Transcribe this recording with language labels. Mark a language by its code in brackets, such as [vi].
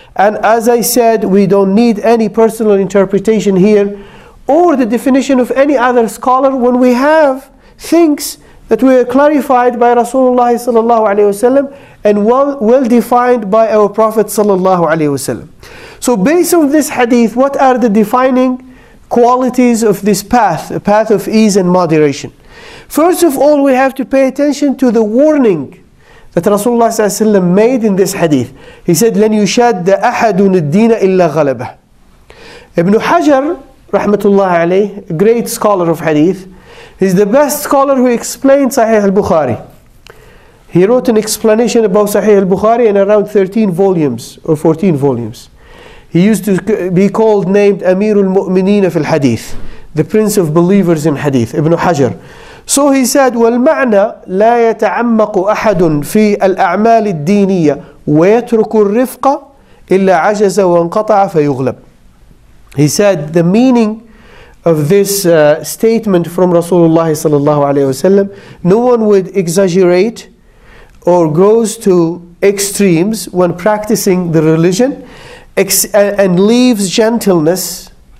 [en] And as I said, we don't need any personal interpretation here, or the definition of any other scholar, when we have things that were clarified by Rasulullah sallallahu alayhi wa sallam and well defined by our Prophet sallallahu alayhi wa sallam. So based on this hadith, what are the defining qualities of this path, a path of ease and moderation? First of all, we have to pay attention to the warning that Rasulullah sallallahu alayhi wa sallam made in this hadith. He said, [ar] لَنْ يُشَدَّ أَحَدٌ الدِّينَ إِلَّا غَلَبَهُ. [en] Ibn Hajar, rahmatullah alayh, a great scholar of hadith, he's the best scholar who explained Sahih al-Bukhari. He wrote an explanation about Sahih al-Bukhari in around 13 volumes or 14 volumes. He used to be called named Amir al-Mu'mineen fi al-Hadith, the Prince of Believers in Hadith, Ibn Hajar. So he said, [ar] وَالْمَعْنَى لَا يَتَعَمَّقُ أَحَدٌ فِي الْأَعْمَالِ الدِّينِيَّةِ وَيَتْرُكُ الرِّفْقَ إِلَّا عَجَزَ وَانْقَطَعَ فَيُغْلَبْ. [en] He said the meaning of this statement from Rasulullah sallallahu alayhi wasallam, no one would exaggerate or goes to extremes when practicing the religion and leaves gentleness.